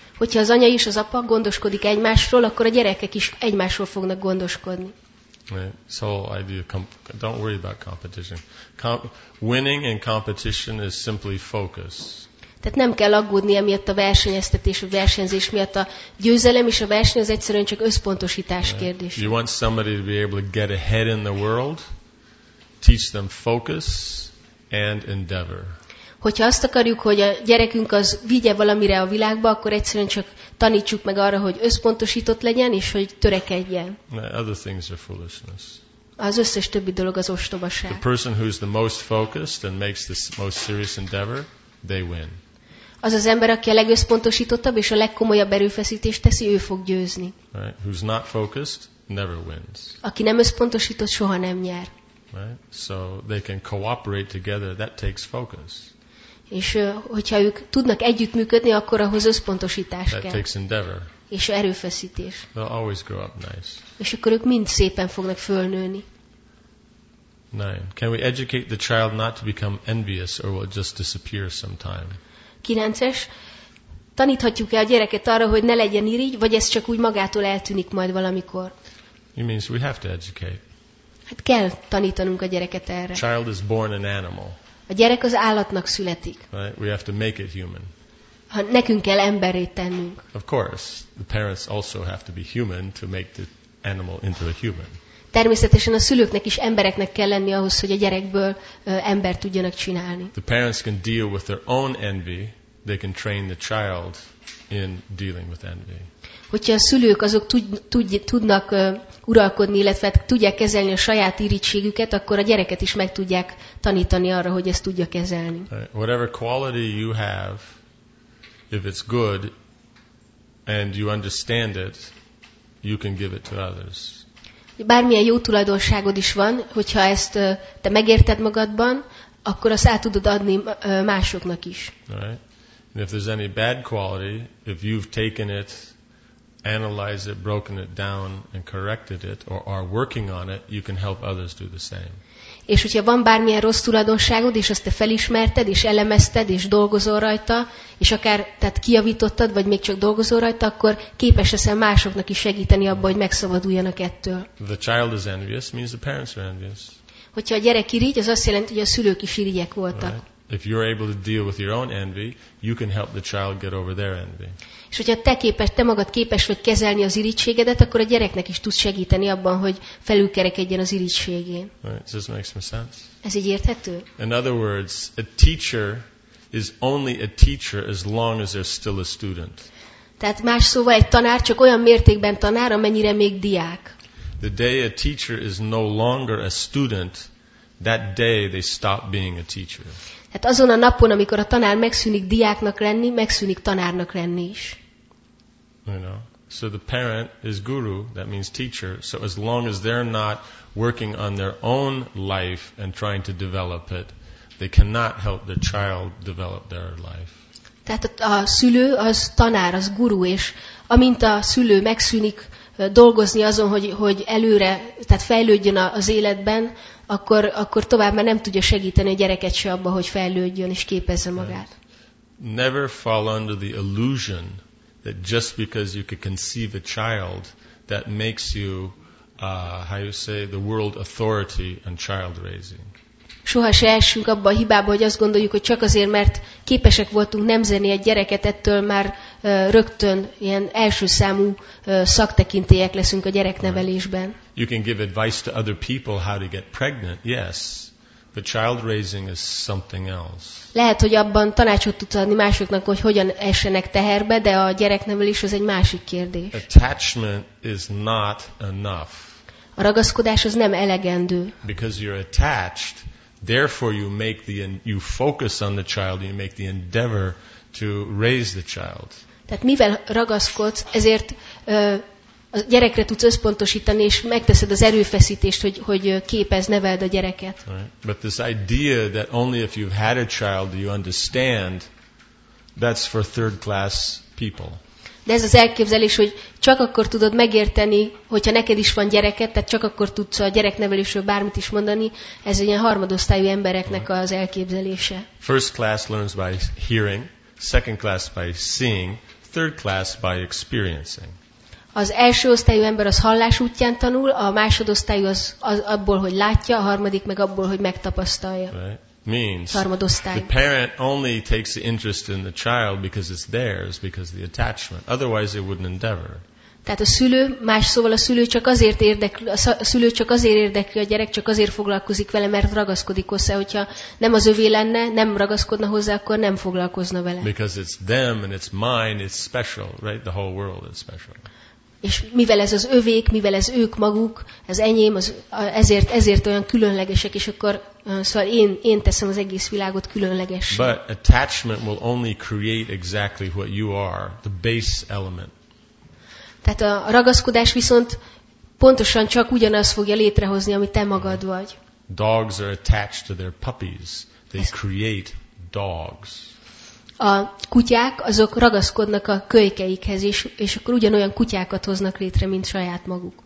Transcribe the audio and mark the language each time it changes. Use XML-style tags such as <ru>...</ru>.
<hu>Hogyha az anya és az apa gondoskodik egymásról, akkor a gyerekek is egymásról fognak gondoskodni.</hu> <en>Right. So I do. Don't worry about competition. Winning in competition is simply focus.</en> <hu>Tehát nem kell aggódni emiatt a versenyeztetés, a versenyzés miatt. A győzelem és a verseny az egyszerűen csak összpontosítás kérdés.</hu> <en>You want somebody to be able to get ahead in the world, teach them focus and endeavor.</en> <hu>Hogyha azt akarjuk, hogy a gyerekünk az vigye valamire a világba, akkor egyszerűen csak tanítsuk meg arra, hogy összpontosított legyen, és hogy törekedjen.</hu> <en>Other things are foolishness.</en> <hu>Az összes többi dolog az ostobaság.</hu> <en>The person who is the most focused and makes the most serious endeavor, they win.</en> <hu>Az az ember, aki a legösszpontosítottabb és a legkomolyabb erőfeszítést teszi, ő fog győzni.</hu> <en>Right. Who's not focused, never wins.</en> <hu>Aki nem összpontosított, soha nem nyer.</hu> <en>Right. So they can cooperate together. That takes focus.</en> <hu>És hogyha ők tudnak együttműködni, akkor ahhoz összpontosítás</hu> <en>that</en> <hu>kell.</hu> <en>Takes endeavor.</en> <hu>És erőfeszítés.</hu> <en>They'll always grow up nice.</en> <hu>És akkor ők mind szépen fognak fölnőni.</hu> <en>9. Can we educate the child not to become envious, or will it just disappear sometime?</en> <hu>9-es. Taníthatjuk-e a gyereket arra, hogy ne legyen irigy, vagy ez csak úgy magától eltűnik majd valamikor?</hu> <en>It means we have to educate.</en> <hu>Hát kell tanítanunk a gyereket erre.</hu> <en>Child is born an animal.</en> <hu>A gyerek az állatnak születik.</hu> <en>Right? We have to make it human.</en> <hu>Ha nekünk kell emberré tennünk.</hu> <en>Of course, the parents also have to be human to make the animal into a human.</en> <hu>Természetesen a szülőknek is embereknek kell lenni ahhoz, hogy a gyerekből ember tudjanak csinálni.</hu> <en>The parents can deal with their own envy, they can train the child in dealing with envy.</en> <hu>Hogyha a szülők azok tudnak uralkodni, illetve tudják kezelni a saját irigységüket, akkor a gyereket is meg tudják tanítani arra, hogy ezt tudja kezelni.</hu> <en>Whatever quality you have, if it's good and you understand it, you can give it to others.</en> <hu>Bármilyen jó tulajdonságod is van, hogyha ezt te megérted magadban, akkor azt át tudod adni másoknak is.</hu> <en>Right. And if there's any bad quality, if you've taken it, analyzed it, broken it down and corrected it, or are working on it, you can help others do the same.</en> <hu>És hogyha van bármilyen rossz tulajdonságod, és azt te felismerted, és elemezted, és dolgozol rajta, és akár tehát kijavítottad, vagy még csak dolgozol rajta, akkor képes leszel másoknak is segíteni abban, hogy megszabaduljanak ettől.</hu> <en>The child is envious, means the parents are envious.</en> <hu>Hogyha a gyerek irigy, az azt jelenti, hogy a szülők is irigyek voltak.</hu> <en>Right? If you're able to deal with your own envy, you can help the child get over their envy.</en> <hu>És hogyha te magad képes vagy kezelni az irigységedet, akkor a gyereknek is tudsz segíteni abban, hogy felülkerekedjen az irigységén.</hu> <en>Right. Does this make some sense?</en> <hu>Ez így érthető?</hu> <en>In other words, a teacher is only a teacher as long as there's still a student.</en> <hu>Tehát más szóval egy tanár csak olyan mértékben tanár, amennyire még diák.</hu> <en>The day a teacher is no longer a student, that day they stop being a teacher.</en> <hu>Hát azon a napon, amikor a tanár megszűnik diáknak lenni, megszűnik tanárnak lenni is.</hu> <en>You know, so the parent is guru, that means teacher. So as long as they're not working on their own life and trying to develop it, they cannot help their child develop their life.</en> <hu>Tehát a szülő az tanár, az guru, és amint a szülő megszűnik dolgozni azon, hogy előre, tehát fejlődjön az életben, akkor tovább már nem tudja segíteni a gyereket se abban, hogy fejlődjön és képezze magát.</hu> <en>Never fall under the illusion that just because you can conceive a child, that makes you, how you say, the world authority on child raising.</en> <hu>Soha se essünk abban a hibában, hogy azt gondoljuk, hogy csak azért, mert képesek voltunk nemzeni egy gyereket, ettől már rögtön ilyen első számú szaktekintélyek leszünk a gyereknevelésben.</hu> <en>You can give advice to other people how to get pregnant, yes, but child raising is something else.</en> <hu>Lehet, hogy abban tanácsot tudsz adni másoknak, hogy hogyan essenek teherbe, de a gyereknevelés az egy másik kérdés.</hu> <en>Attachment is not enough.</en> <hu>A ragaszkodás az nem elegendő.</hu> <en>Because you're attached, therefore you focus on the child, you make the endeavor to raise the child.</en> <hu>Tehát mivel ragaszkodsz, ezért a gyerekre tudsz összpontosítani, és megteszed az erőfeszítést, hogy képez, neveld a gyereket.</hu> <en>Right. But this idea that only if you've had a child do you understand, that's for third class people.</en> <hu>De ez az elképzelés, hogy csak akkor tudod megérteni, hogyha neked is van gyereket, tehát csak akkor tudsz a gyereknevelésről bármit is mondani, ez egy ilyen harmadosztályú embereknek az elképzelése.</hu> <en>First class learns by hearing, second class by seeing, third class by experiencing.</en> <hu>Az első osztályú ember az hallás útján tanul, a másodosztályú az, az abból, hogy látja, a harmadik meg abból, hogy megtapasztalja.</hu> <en>Right. Means</en> <hu>harmadosztály.</hu> <en>The parent only takes the interest in the child because it's theirs, because the attachment. Otherwise they wouldn't endeavor.</en> <hu>Tehát a szülő, más szóval a szülő csak azért érdekli, a szülő csak azért érdekli a gyerek, csak azért foglalkozik vele, mert ragaszkodik hozzá, hogyha nem az övé lenne, nem ragaszkodna hozzá, akkor nem foglalkozna vele.</hu> <en>Because it's them and it's mine, it's special, right? The whole world is special.</en> <hu>És mivel ez az övék, mivel ez ők maguk, ez enyém, az, ezért olyan különlegesek, és akkor szóval én teszem az egész világot különlegessé.</hu> <en>But attachment will only create exactly what you are, the base element.</en> <hu>Tehát a ragaszkodás viszont pontosan csak ugyanaz fogja létrehozni, ami te magad vagy.</hu> <en>Dogs are attached to their puppies. They create dogs.</en> <hu>A kutyák azok ragaszkodnak a kölykeikhez, és akkor ugyanolyan kutyákat hoznak létre, mint saját maguk.</hu>